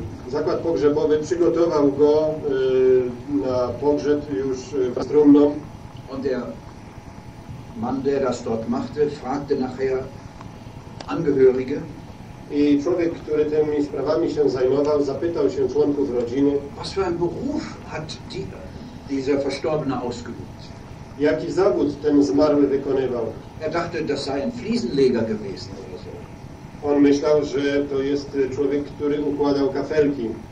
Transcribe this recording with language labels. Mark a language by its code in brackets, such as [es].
[pl] Zakład pogrzebowy przygotował go na pogrzeb już z trumną. [de] Und er Mann, der das dort machte, fragte nachher Angehörige. [pl] I człowiek, który tymi sprawami się zajmował, zapytał się członków rodziny. [de] Was für ein Beruf hat dieser Verstorbene ausgeübt? [pl] Jaki zawód ten zmarły wykonywał? [de] Er dachte, das sei ein Fliesenleger gewesen oder so. [pl] On myślał, że to jest człowiek, który układał kafelki.